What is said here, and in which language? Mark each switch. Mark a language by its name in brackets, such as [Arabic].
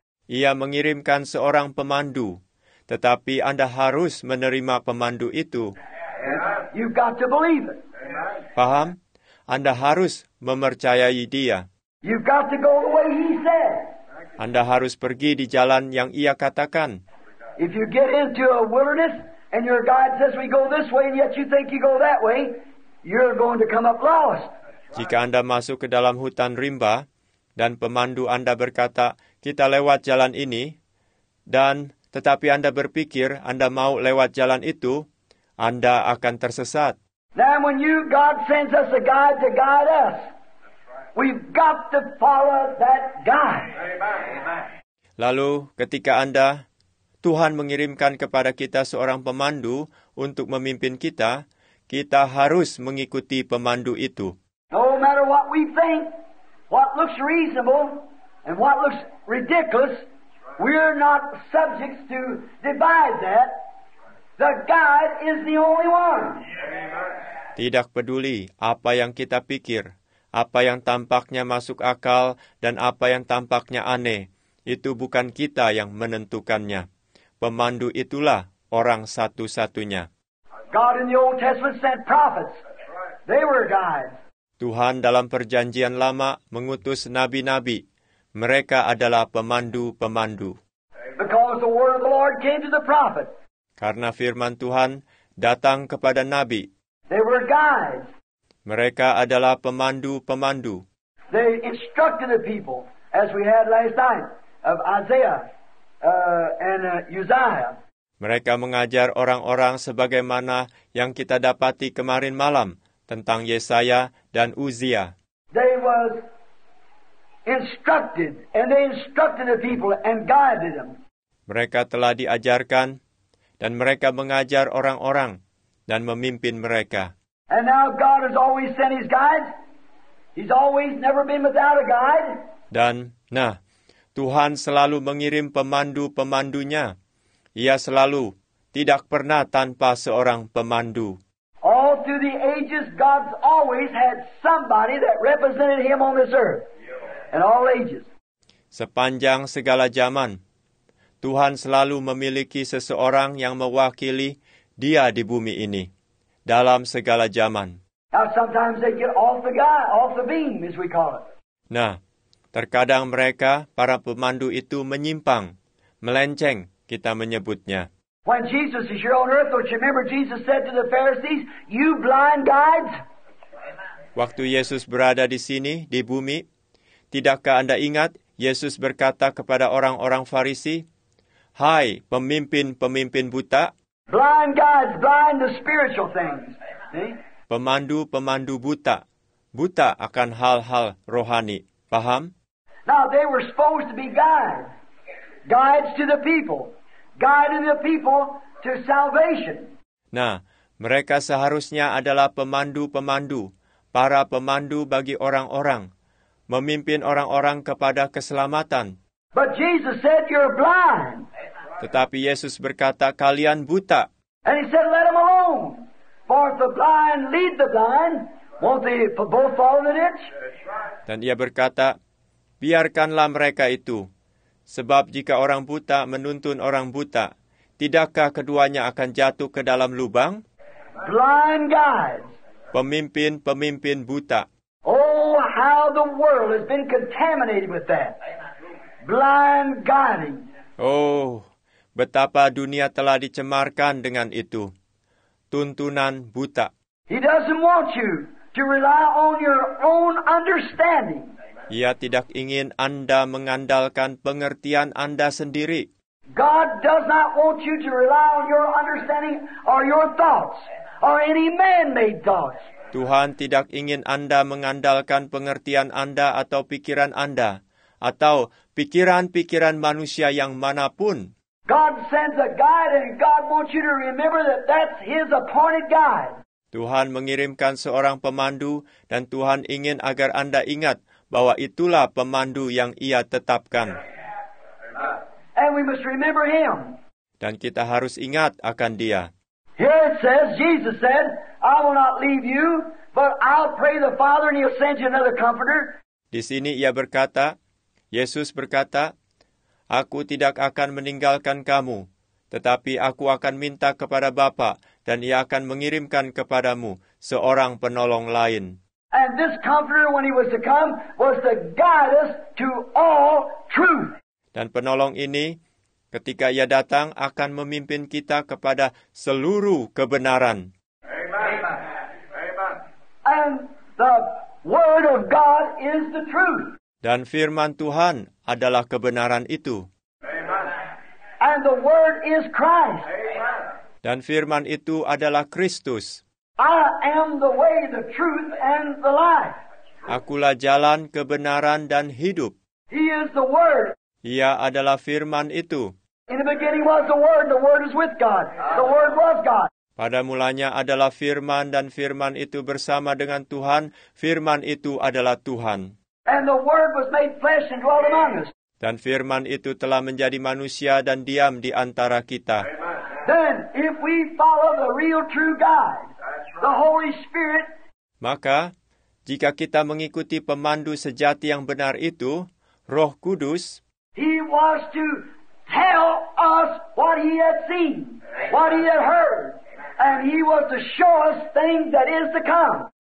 [Indonesian] Ia mengirimkan seorang pemandu, tetapi Anda harus menerima pemandu itu. [English] You've got to believe it. [Indonesian] Paham? Anda harus mempercayai dia. [English] You've got to go the way he said. [Indonesian] Anda harus pergi di jalan yang ia katakan. [English] If you get into a wilderness and your guide says we go this way and yet you think you go that way, you're going to come up lost. [Indonesian] Jika Anda masuk ke dalam hutan rimba, dan pemandu Anda berkata, kita lewat jalan ini, dan tetapi Anda berpikir Anda mau lewat jalan itu, Anda akan tersesat. [English] Now when you, God sends us a guide to guide us, we've got to follow that guide. [Indonesian] Lalu ketika Tuhan mengirimkan kepada kita seorang pemandu untuk memimpin kita, kita harus mengikuti pemandu itu. [English] No matter what we think, what looks reasonable and what looks ridiculous, we're not subjects to divide that. The God is the only one. [Indonesian] Tidak peduli apa yang kita pikir, apa yang tampaknya masuk akal dan apa yang tampaknya aneh, itu bukan kita yang menentukannya. Pemandu itulah orang satu-satunya. [English] God in the Old Testament sent prophets. They were guides. [Indonesian] Tuhan dalam Perjanjian Lama mengutus nabi-nabi. Mereka adalah pemandu-pemandu. [English] Because the word of the Lord came to the prophet. [Indonesian] Karena firman Tuhan datang kepada nabi. [English] They were guides. [Indonesian] Mereka adalah pemandu-pemandu. [English] They instructed the people, as we had last night, of Isaiah and Uzziah. [Indonesian] Mereka mengajar orang-orang sebagaimana yang kita dapati kemarin malam tentang Yesaya dan Uzia. [English] They was instructed, and they instructed the people and guided them. [Indonesian] Mereka telah diajarkan, dan mereka mengajar orang-orang dan memimpin mereka. [English] And now God has always sent His guides. He's always never been without a guide. [Indonesian] Dan, nah, Tuhan selalu mengirim pemandu-pemandunya. Ia selalu, tidak pernah tanpa seorang pemandu. [English] All through the ages, God's always had somebody that represented Him on this earth. In all ages. [Indonesian] Sepanjang segala zaman, Tuhan selalu memiliki seseorang yang mewakili Dia di bumi ini. Dalam segala zaman. [English] Now sometimes they get off the guy, off the beam, as we call it. [Indonesian] Nah, terkadang mereka, para pemandu itu menyimpang, melenceng, kita menyebutnya. [English] When Jesus is here on earth, don't you remember Jesus said to the Pharisees, "You blind guides." [Indonesian] Waktu Yesus berada di sini, di bumi, tidakkah Anda ingat Yesus berkata kepada orang-orang Farisi, "Hai, pemimpin-pemimpin buta." [English] Blind guides, blind to spiritual things. See? [Indonesian] Pemandu-pemandu buta. Buta akan hal-hal rohani. Paham? [English] Now, they were supposed to be guides. Guides to the people. Guiding the people to salvation. [Indonesian] Nah, mereka seharusnya adalah pemandu-pemandu. Para pemandu bagi orang-orang. Memimpin orang-orang kepada keselamatan. [English] But Jesus said, "You're blind." [Indonesian] Tetapi Yesus berkata, kalian buta. [English] And he said, "Let them alone. For if the blind lead the blind, won't they both fall in the ditch?" [Indonesian] Dan ia berkata, biarkanlah mereka itu. Sebab jika orang buta menuntun orang buta, tidakkah keduanya akan jatuh ke dalam lubang? [English] Blind guides. [Indonesian] Pemimpin-pemimpin buta. [English] Oh, how the world has been contaminated with that. Blind guiding. [Indonesian] Oh, betapa dunia telah dicemarkan dengan itu. Tuntunan buta. [English] He doesn't want you to rely on your own understanding. [Indonesian] Ia tidak ingin Anda mengandalkan pengertian Anda sendiri. [English] God does not want you to rely on your understanding or your thoughts or any man-made thoughts. [Indonesian] Tuhan tidak ingin Anda mengandalkan pengertian Anda atau pikiran Anda atau pikiran-pikiran manusia yang manapun. [English] God sends a guide and God wants you to remember that that's His appointed guide. [Indonesian] Tuhan mengirimkan seorang pemandu dan Tuhan ingin agar Anda ingat bahwa itulah pemandu yang Ia tetapkan. [English] And we must remember Him. [Indonesian] Dan kita harus ingat akan Dia. [English] Here it says, Jesus said, "I will not leave you, but I'll pray the Father and He'll send you another comforter." [Indonesian] Di sini Ia berkata, Yesus berkata, "Aku tidak akan meninggalkan kamu, tetapi aku akan minta kepada Bapa dan Ia akan mengirimkan kepadamu seorang penolong lain." [English] And this comforter, when he was to come, was to guide us to all truth. [Indonesian] Dan penolong ini, ketika ia datang, akan memimpin kita kepada seluruh kebenaran. [English] Amen. And the word of God is the truth. [Indonesian] Dan firman Tuhan adalah kebenaran itu. [English] Amen. And the word is Christ. Amen. [Indonesian] Dan firman itu adalah Kristus. [English] I am the way, the truth, and the life. [Indonesian] Akulah jalan, kebenaran, dan hidup. [English] He is the Word. [Indonesian] Ia adalah firman itu. [English] In the beginning was the Word. The Word is with God. The Word was God. [Indonesian] Pada mulanya adalah firman, dan firman itu bersama dengan Tuhan. Firman itu adalah Tuhan. [English] And the Word was made flesh and dwelt among us. [Indonesian] Dan firman itu telah menjadi manusia dan diam di antara kita. [English] Amen. Then if we follow the real true guide, the Holy Spirit, [Indonesian] maka jika kita mengikuti pemandu sejati yang benar itu, Roh Kudus, [English] he was to tell us what he had seen, what he had heard, and he was to show us things that is to come.